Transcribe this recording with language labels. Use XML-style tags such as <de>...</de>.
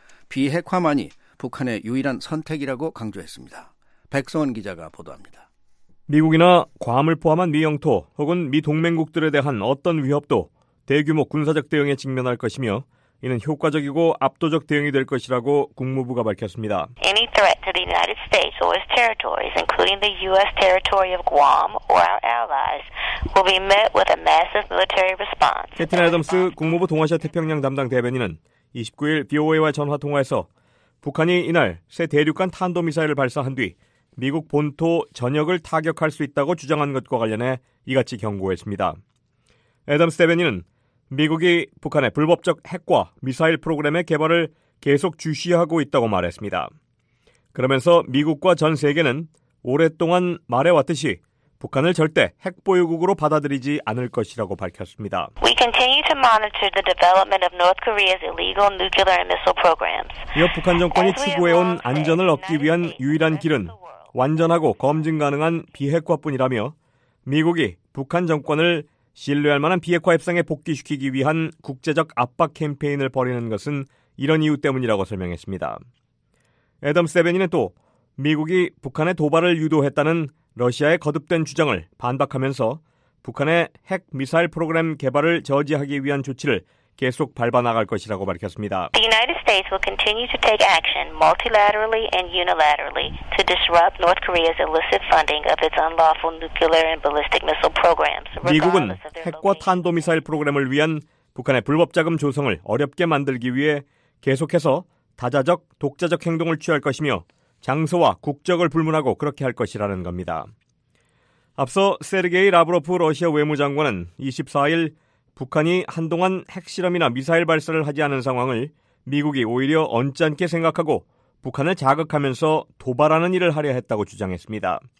<ko>비핵화만이 북한의 유일한 선택이라고 강조했습니다. 백성원 기자가 보도합니다. 미국이나 괌을 포함한 미 영토 혹은 미 동맹국들에 대한 어떤 위협도 대규모 군사적 대응에 직면할 것이며 이는 효과적이고 압도적 대응이 될 것이라고 국무부가 밝혔습니다.</ko> <en>Any threat to the United States or its territories, including the U.S. territory of Guam or our allies, will be met with a massive military response.</en> <ko>캐틴 애덤스 국무부 동아시아 태평양 담당 대변인은 29일 BOA와 전화 통화에서 북한이 이날 새 대륙간 탄도미사일을 발사한 뒤 미국 본토 전역을 타격할 수 있다고 주장한 것과 관련해 이같이 경고했습니다. 애덤스 대변인은 미국이 북한의 불법적 핵과 미사일 프로그램의 개발을 계속 주시하고 있다고 말했습니다. 그러면서 미국과 전 세계는 오랫동안 말해왔듯이 북한을 절대 핵 보유국으로 받아들이지 않을 것이라고 밝혔습니다.</ko> <en>We continue to monitor the development of North Korea's illegal nuclear and missile programs.</en> <ko>이어 북한 정권이 추구해온 안전을 얻기 위한 유일한 길은 완전하고 검증 가능한 비핵화뿐이라며 미국이 북한 정권을 신뢰할 만한 비핵화 협상에 복귀시키기 위한 국제적 압박 캠페인을 벌이는 것은 이런 이유 때문이라고 설명했습니다. 애덤 세베니는 또 미국이 북한의 도발을 유도했다는 러시아의 거듭된 주장을 반박하면서 북한의 핵 미사일 프로그램 개발을 저지하기 위한 조치를 계속 밟아 나갈 것이라고 밝혔습니다.</ko> <en>The United States will continue to take action multilaterally and unilaterally to disrupt North Korea's illicit funding of its unlawful nuclear and ballistic missile programs.</en> <ko>미국은 핵과 탄도 미사일 프로그램을 위한 북한의 불법 자금 조성을 어렵게 만들기 위해 계속해서 다자적 독자적 행동을 취할 것이며 장소와 국적을 불문하고 그렇게 할 것이라는 겁니다. 앞서 세르게이 라브로프 러시아 외무장관은 24일 북한이 한동안 핵실험이나 미사일 발사를 하지 않은 상황을 미국이 오히려 언짢게 생각하고 북한을 자극하면서 도발하는 일을 하려 했다고 주장했습니다.</ko>